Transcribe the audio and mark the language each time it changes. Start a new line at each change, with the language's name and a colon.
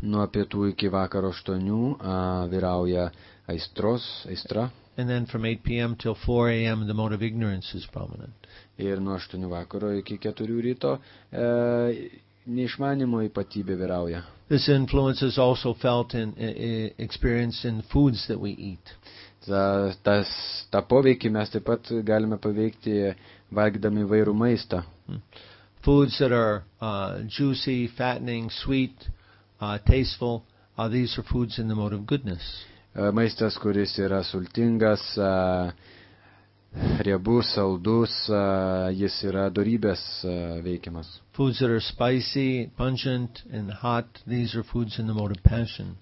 Lithuanian: Nuo pietų iki vakaro 8 vyrauja aistra.
English: And then from 8 p.m. till 4 a.m. the mode of ignorance is prominent.
Lithuanian: Ir nuo 8 vakaro iki 4 ryto neišmanimo ypatybė vyrauja.
English: This influence is also felt experienced in foods that we eat.
Lithuanian: Tą poveikį mes taip pat galime paveikti valgydami įvairų maistą.
English: Foods that are juicy, fattening, sweet, tasteful, these are foods in the mode of goodness.
Lithuanian: Maistas, kuris yra sultingas, riebus, saldus, jis yra dorybės veikimas.
English: Foods that are spicy, pungent and hot, these are foods in the mode of passion.